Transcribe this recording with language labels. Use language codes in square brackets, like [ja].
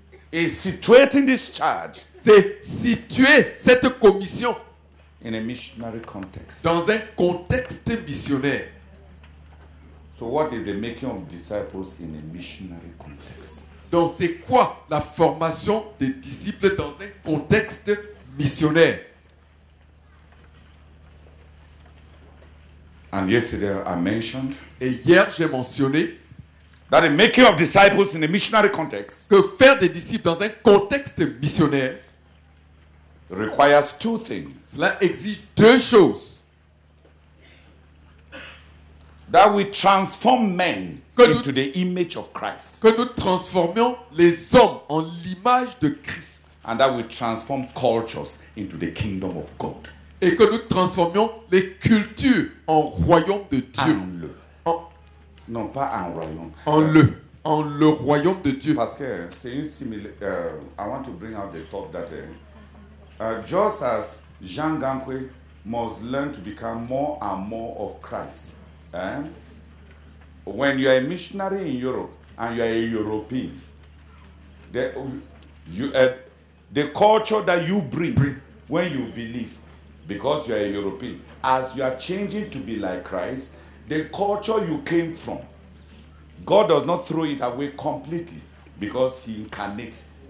[en] Is situating this charge. [fr] C'est situer cette commission. [en] In a missionary context. [fr] Dans un contexte missionnaire. [en] So what is the making of disciples in a missionary context? [fr] Donc c'est quoi la formation des disciples dans un contexte missionnaire? [en] And yesterday I mentioned. [fr] Et hier j'ai mentionné. [en] That the making of disciples in a missionary context. [fr] Que faire des disciples dans un contexte missionnaire. [en] Requires two things. [fr] Cela exige deux choses. [en] That we transform men into the image of Christ. [fr] Que nous transformions les hommes en l'image de Christ. [en] And that we transform cultures into the kingdom of God. [fr] Et que nous transformions les cultures en royaume de Dieu. En le. Non, pas en royaume. En le royaume de Dieu. Parce que c'est une similaire. [en] I want to bring out the top that. Just as Jean Ganque must learn to become more and more of Christ. When you are a missionary in Europe and you are a European, the culture that you bring when you believe, because you are a European, as you are changing to be like Christ, the culture you came from, God does not throw it away completely because he incarnates.